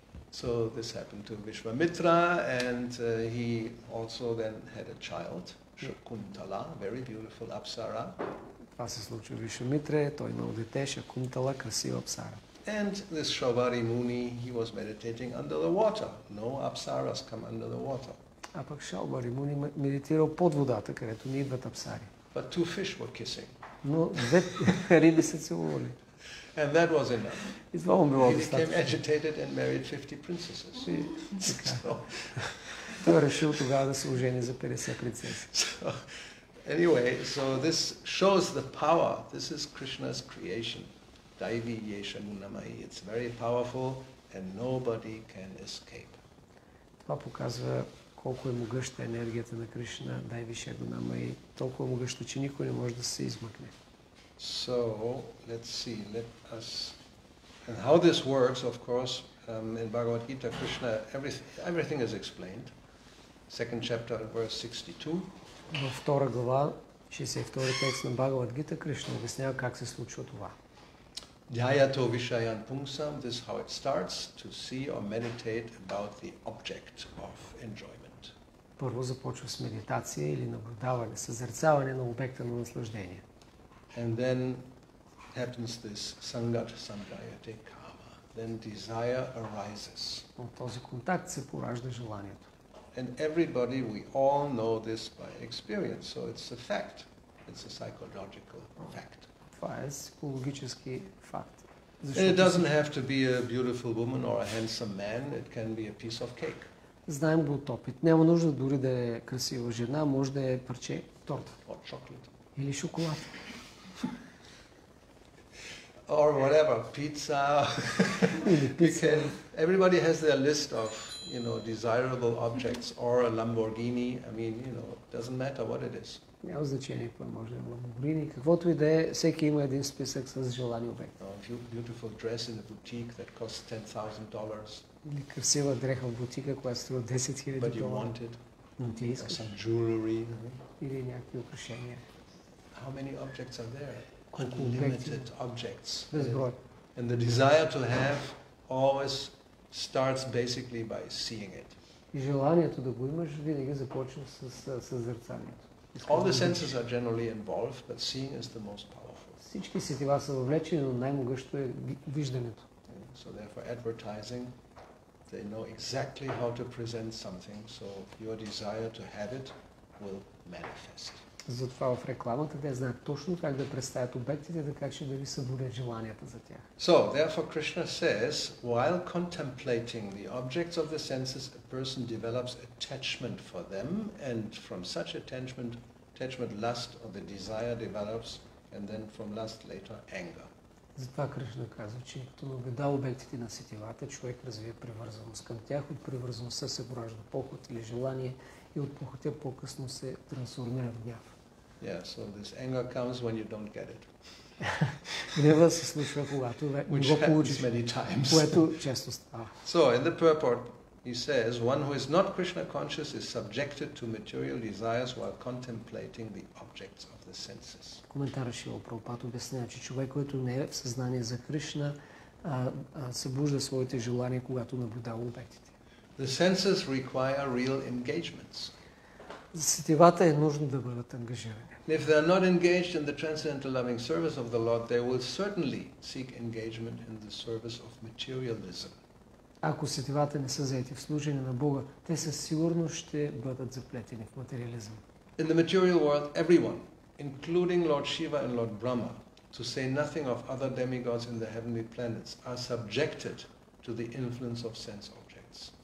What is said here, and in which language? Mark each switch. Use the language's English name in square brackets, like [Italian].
[English] So this happened to Vishwamitra, and he also then had a child, Shakuntala, very beautiful apsara. [Bulgarian] Това се случва в Вишвамитре, той имал дете, Шакунтала, красива апсара. [English] And this Shravari Muni, he was meditating under the water. No apsaras come under the water. [Bulgarian] А пък Shravari Muni медитирал под водата, където не идват апсари. [English] But two fish were kissing. [Bulgarian] Но две риби се целували. [English] And that was enough. [Bulgarian] И това му било достатъчно. [English] He became agitated and married 50 princesses. So... [Bulgarian] Той решил тогава да се ожени за 50 принцеси. [English] Anyway, so this shows the power. This is Krishna's creation. [Sanskrit] Daivi yesha munamai. [English] It's very powerful and nobody can escape. [Bulgarian] Това показва колко е могъща енергията на Кришна, [Sanskrit] Daivi yesha munamai, [Bulgarian] толкова могъща, че никой не може да се измъкне. [English] So, let's see. Let us... And how this works, of course, in Bhagavad Gita, Krishna, everything is explained. Second chapter, verse 62. [Bulgarian] Във втора глава, 62-ри текст на Бхагавад Гита, Кришна обяснява как се случва това. [Sanskrit] Dhyayato Vishayan Pungsam, [English] this is how it starts, to see or meditate about the object of enjoyment. [Bulgarian] Първо започва с медитация или наблюдаване, съзерцаване на обекта на наслаждение. [English] And then happens this [Sanskrit] Sangat Sangayate Kama. [English] then desire arises. [Bulgarian] От този контакт се поражда желанието. [English] And everybody, we all know this by experience, so it's a fact. It's a psychological fact. [Bulgarian] Това е психологически факт. [English] And it doesn't have to be a beautiful woman or a handsome man, it can be a piece of cake. [Bulgarian] Знаем го от опит. Няма нужда дори да е красива жена, може да е парче торта. [English] Or chocolate. [Bulgarian] Или шоколад. [English] Or whatever, pizza. Because everybody has their list of, you know, desirable objects or a Lamborghini. I mean, you know, doesn't matter what it is. [Bulgarian] Няма значение, може да е Lamborghini, каквото и да е, всеки има един списък с желани обект. [English] A beautiful dress in a boutique that costs $10,000. [Bulgarian] Или красива дреха в бутика, която струва 10 000 долара. [English] But you want it. [Bulgarian] Но ти искаш. [English] Some jewelry. [Bulgarian] Или някакви украшения. [English] How many objects are there? Unlimited objects. [Bulgarian] Безброй. [English] And the desire to have always starts basically by seeing it. [Bulgarian] И желанието да го имаш винаги започва с съзерцанието. [English] All the senses are generally involved, but seeing is the most powerful. [Bulgarian] Всички сетива са въвлечени, но най-могъщо е виждането. [English] So therefore advertising, they know exactly how to present something, so your desire to have it will manifest. [Bulgarian] Затова в рекламата те знаят точно как да представят обектите, така че да ви събудят желанията за тях. [English] So, therefore Krishna says, while contemplating the objects of the senses, a person develops attachment for them, and from such attachment lust or the desire develops, and then from lust later anger. [Bulgarian] Затова Кришна казва, че като наблюда обектите на сетивата, човек развива привързаност към тях, от привързаността се поражда похот или желание и от похотя по-късно се трансформира в гняв. [English] Yeah, so this anger comes when you don't get it. [Bulgarian] Гнева се случва, когато не го получиш, [English] many times. [Bulgarian] Което често става. [English] So, in the purport, he says, one who is not Krishna conscious is subjected to material desires while contemplating the objects of the senses. [Bulgarian] Коментарът Шрила Прабхупада обяснява, че човек, който не е в съзнание за Кришна, събужда своите желания, когато наблюдава обектите. [English] The senses require real engagements. [Bulgarian] За сетивата е нужно да бъдат ангажирани. [English] If they are not engaged in the transcendental loving service of the Lord, they will certainly seek engagement in the service of materialism. [Bulgarian] Ако сетивата не са заети в служение на Бога, те със сигурност ще бъдат заплетени в материализъм. [English] In the material world, everyone, including Lord Shiva and Lord Brahma, to say nothing of other demigods in the heavenly planets, are subjected to the influence of sense objects.